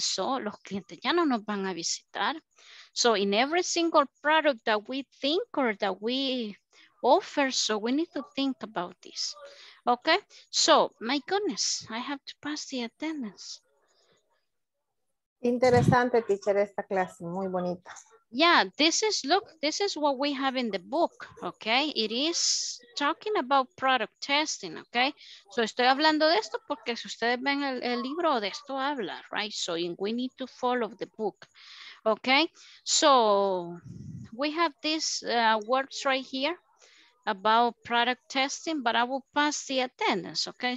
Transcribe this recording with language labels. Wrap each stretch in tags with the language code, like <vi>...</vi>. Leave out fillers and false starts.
<en>So</en> <es>los clientes ya no nos van a visitar.</es> <en>So in every single product that we think or that we offer, so we need to think about this. Okay, so my goodness, I have to pass the attendance.</en> <es>Interesante, teacher, esta clase, muy bonita.</es> <en>Yeah, this is, look, this is what we have in the book, okay? It is talking about product testing, okay?</en> <es>So estoy hablando de esto porque si ustedes ven el libro, de esto habla, right?</es> <en>So we need to follow the book. Okay, so we have these words right here about product testing, but I will pass the attendance, okay?</en>